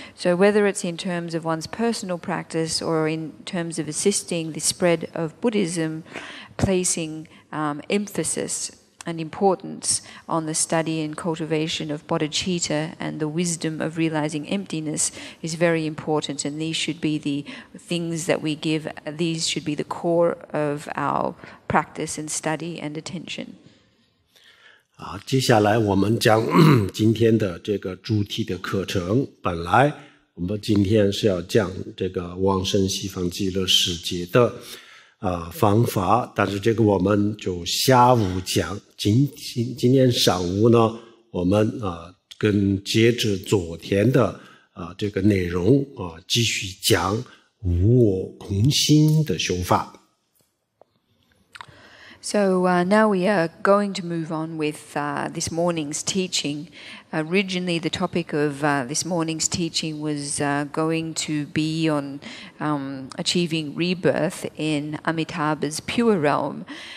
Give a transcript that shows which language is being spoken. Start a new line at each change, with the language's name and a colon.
English: So whether it's in terms of one's personal practice or in terms of assisting the spread of Buddhism, placing emphasis and importance on the study and cultivation of bodhicitta and the wisdom of realizing emptiness is very important, and these should be the things that we give, these should be the core of our practice and study and attention.
Chinese: 接下来我们将今天的这个主题的课程，本来我们今天是要讲这个往生西方极乐世界的方法，但是这个我们就下午讲，今天上午呢我们跟接着昨天的这个内容继续讲无我空心的修法。
English: So now we are going to move on with this morning's teaching. Originally, the topic of this morning's teaching was going to be on achieving rebirth in Amitabha's pure realm.